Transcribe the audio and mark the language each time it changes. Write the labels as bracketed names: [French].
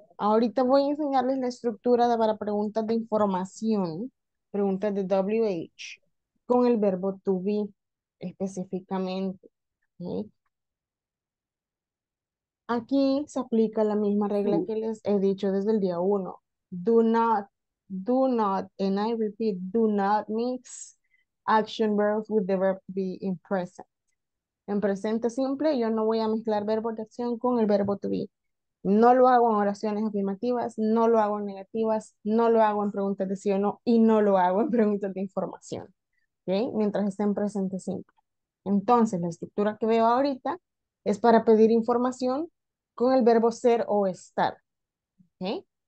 [Spanish] Ahorita voy a enseñarles la estructura de, para preguntas de información, preguntas de WH, con el verbo to be específicamente. ¿Sí? Aquí se aplica la misma regla que les he dicho desde el día 1. [English] Do not, and I repeat, do not mix action verbs with the verb be in present. [Spanish] En presente simple, yo no voy a mezclar verbo de acción con el verbo to be. No lo hago en oraciones afirmativas, no lo hago en negativas, no lo hago en preguntas de sí o no y no lo hago en preguntas de información, ¿okay? Mientras esté en presente simple. Entonces, la estructura que veo ahorita es para pedir información con el verbo ser o estar, ¿okay?